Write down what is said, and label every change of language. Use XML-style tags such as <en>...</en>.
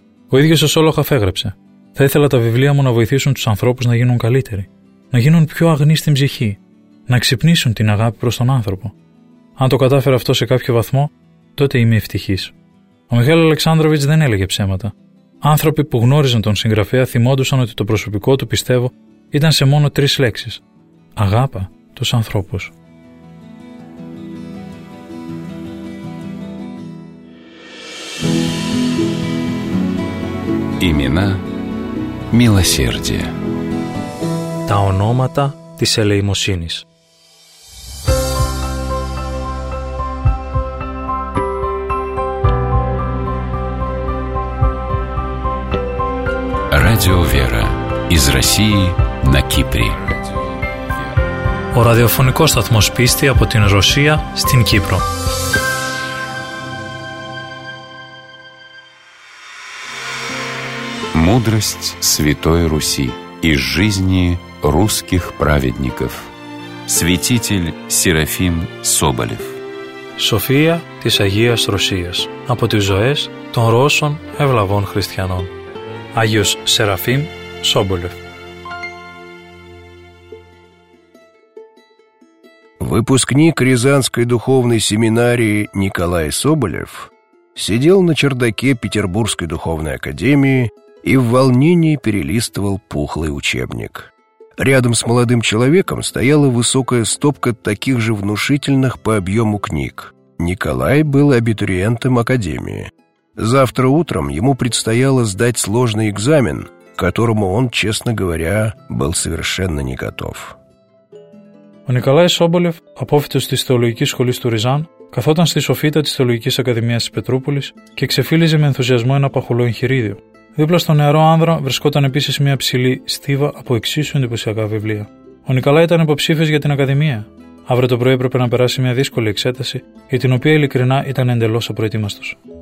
<el>Ο ίδιος ο Σόλοχοβ έγραψε: «Θα ήθελα τα βιβλία μου να βοηθήσουν τους ανθρώπους να γίνουν καλύτεροι, να γίνουν πιο αγνοί στην ψυχή, να ξυπνήσουν την αγάπη προς τον άνθρωπο. Αν το κατάφερα αυτό σε κάποιο βαθμό, τότε είμαι ευτυχής». Ο Μιχάλη Αλεξάνδροβιτς δεν έλεγε ψέματα. Άνθρωποι που γνώριζαν τον συγγραφέα θυμόντουσαν ότι το προσωπικό του, πιστεύω, ήταν σε μόνο τρεις λέξεις: αγάπα τους ανθρώπους.</el> <ru>Ημινά μιλοσέρδια.</ru> <el>Τα ονόματα της ελεημοσύνης.</el> <ru>Радио Вера из России на Кипре.</ru> <el>Ο ραδιοφωνικός σταθμός πίστη από την Ρωσία στην Κύπρο.</el> <ru>Мудрость Святой Руси из жизни русских праведников. Святитель Серафим Соболев.</ru> <el>София της Αγίας Ρωσίας. Από τις ζωές των Ρώσων ευλαβών χριστιανών. Άγιος Σεραφείμ Σόμπολεφ.</el> <ru>Выпускник Рязанской духовной семинарии Николай Соболев сидел на чердаке Петербургской духовной академии и в волнении перелистывал пухлый учебник. Рядом с молодым человеком стояла высокая стопка таких же внушительных по объему книг. Николай был абитуриентом академии. Завтра утром ему предстояло сдать сложный экзамен, к которому он, честно говоря, был совершенно не готов.</ru> <el>Ο Νικολάης Σόμπολεφ, απόφοιτος της Θεολογικής Σχολής του Ριζάν, καθόταν στη σοφίτα της Θεολογικής Ακαδημίας της Πετρούπολης και ξεφύλιζε με ενθουσιασμό ένα παχουλό εγχειρίδιο. Δίπλα στο νεαρό άνδρα βρισκόταν επίσης μια ψηλή στίβα από εξίσου εντυπωσιακά βιβλία. Ο Νικολάης ήταν υποψήφιος για την Ακαδημία. Αύριο το πρωί έπρεπε να περάσει μια δύσκολη εξέταση, για την οποία ειλικρινά ήταν εντελώς απροετοίμαστος.</el>